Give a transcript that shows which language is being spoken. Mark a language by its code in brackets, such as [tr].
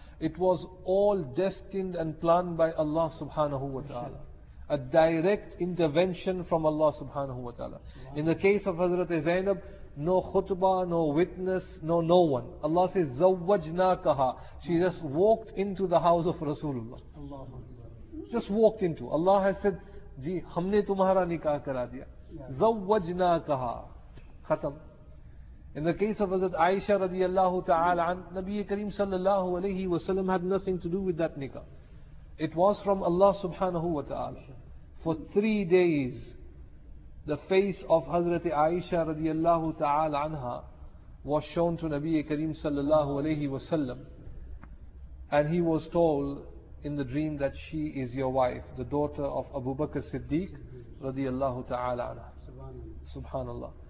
[en] It was all destined and planned by Allah subhanahu wa ta'ala. A direct intervention from Allah subhanahu wa ta'ala. In the case of Hazrat Zainab, no khutbah, no witness, no one. Allah says, Zawwajna kaha. She just walked into the house of Rasulullah. Just walked into. Allah has said, [ur] جی ہم نے تمہارا نکاح کرا دیا زوجنا کہا ختم. [en] In the case of حضرت عائشہ رضی اللہ تعالی عنہ, نبی کریم صلی اللہ علیہ وسلم had nothing to do with that nikah. It was from Allah subhanahu wa ta'ala. For 3 days the face of حضرت عائشہ رضی اللہ تعالی عنہ was shown to نبی کریم صلی اللہ علیہ وسلم, and he was told in the dream that she is your wife, the daughter of Abu Bakr Siddiq radiyallahu ta'ala anha. Subhanallah.